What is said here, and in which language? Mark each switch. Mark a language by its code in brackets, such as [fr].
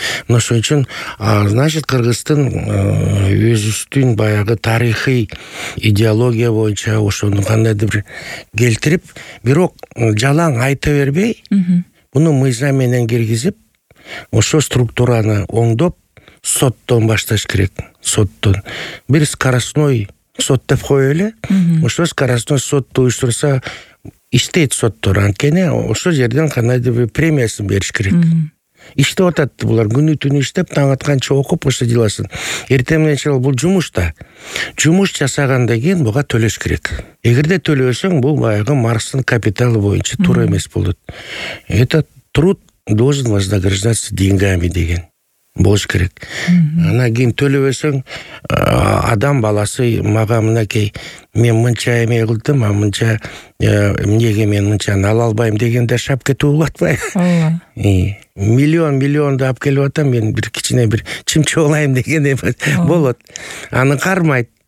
[ky] Ошон үчүн значит кыргыздын өзүбүздүн баягы тарыхый идеология боюнча ошону кандайдыр келтирип, бирок жалаң айта бербей, муну мыйзам менен киргизип, ошо структураны оңдоп соттон башташ керек. Соттон. Бир скоростной сот деп кой эле, ошо скоростной сотту уюштурса иштейт соттор, анткени ошо жерден кандайдыр бир премиясын бериш керек. Иштеп атат булар, күнү түнү иштеп, таң атканча окуп ошо деласын. Эртең менен чыгып, бул жумуш да. Жумуш жасагандан кийин буга төлөш керек. Эгерде төлөбөсөң, бул баягы Марстын капиталы боюнча туура эмес болот. [ru] Этот труд должен вознаграждаться деньгами [ky] деген болуш керек. Анан кийин төлөбөсөң, адам баласы мага мынакей, мен мынча эме кылдым, а мынча эмнеге мен мынчаны ала албайм дегенде шап кетүү болуп атпайбы? Миллионду алып келип атам, мен бир кичине бир чымчы алайын деген болот. Аны кармайт.